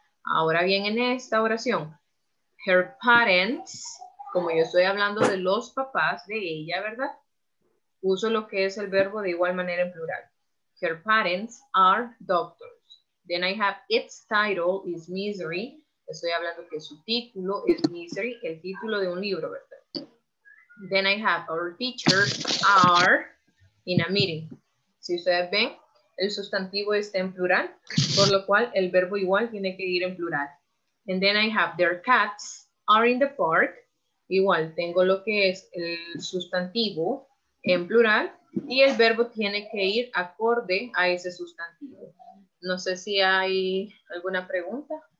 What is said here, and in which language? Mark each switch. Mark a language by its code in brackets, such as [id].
[es] Ahora bien, en esta oración, [en] her parents, [es] como yo estoy hablando de los papás de ella, ¿verdad? Uso lo que es el verbo de igual manera en plural. [en] Her parents are doctors. Then I have its title is Misery. [es] Estoy hablando que su título es Misery, el título de un libro, ¿verdad? [en] Then I have our teachers are in a meeting. [es] Si ustedes ven, el sustantivo está en plural, por lo cual el verbo igual tiene que ir en plural. [en] And then I have their cats are in the park. [es] Igual, tengo lo que es el sustantivo en plural y el verbo tiene que ir acorde a ese sustantivo. No sé si hay alguna pregunta.